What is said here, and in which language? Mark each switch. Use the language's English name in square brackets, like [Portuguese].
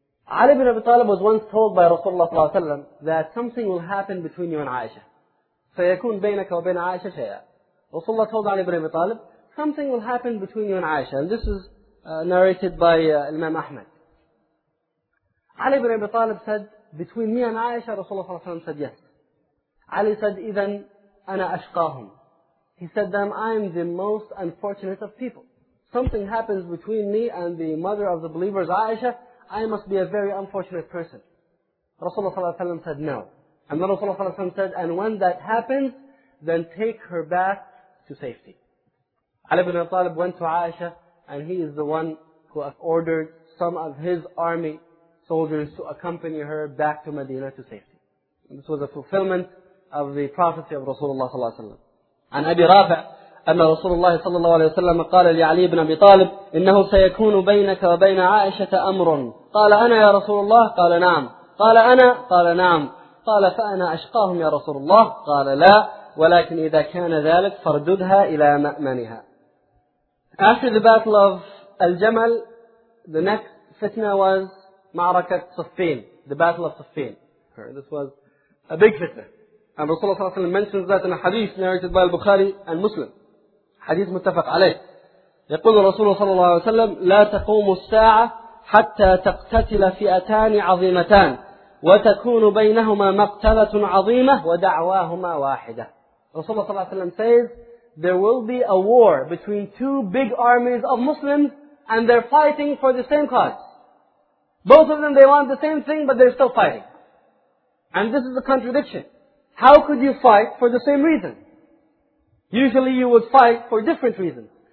[English] Ali ibn Abi Talib was once told by Rasulullah ﷺ that something will happen between you and Aisha. [Arabic] سَيَكُونْ بَيْنَكَ وَبَيْنَ عَائِشَ شَيْئًا. [English] Rasulullah told Ali ibn Abi Talib, something will happen between you and Aisha. And this is narrated by Imam Ahmad. Ali ibn Abi Talib said, between me and Aisha, Rasulullah ﷺ said yes. Ali said, [Arabic] إِذَنْ أَنَا أَشْقَاهُمْ. [English] He said them, I am the most unfortunate of people. Something happens between me and the mother of the believers, Aisha, I must be a very unfortunate person. Rasulullah ﷺ said no. And then Rasulullah ﷺ said, and when that happens, then take her back to safety. Ali ibn Abi Talib went to Aisha, and he is the one who ordered some of his army soldiers to accompany her back to Medina to safety. And this was a fulfillment of the prophecy of Rasulullah ﷺ. [Arabic] And Abi Rafi' أن رسول الله صلى الله عليه وسلم قال لعلي بن أبي طالب إنه سيكون بينك وبين عائشة أمر قال أنا يا رسول الله قال نعم قال أنا قال نعم قال فأنا أشقاهم يا رسول الله قال لا ولكن إذا كان ذلك فرددها إلى مأمنها. [English] After the battle of Al-Jamal, the next fitna was [Arabic] معركة صفين, [English] the battle of صفين. This was a big fitna. And [Arabic] رسول الله صلى الله عليه وسلم [English] mentions that in a hadith narrated by البخاري and Muslim. [Arabic] حديث متفق عليه. يقول الرسول صلى الله عليه وسلم لا تقوم الساعة حتى تقتتل فئتان عظيمتان وتكون بينهما مقتلة عظيمة ودعواهما واحدة. رسول الله صلى الله عليه وسلم [English] says there will be a war between two big armies of Muslims and they're fighting for the same cause. Both of them, they want the same thing, but they're still fighting. And this is a contradiction. How could you fight for the same reason? Usually you would fight for different reasons.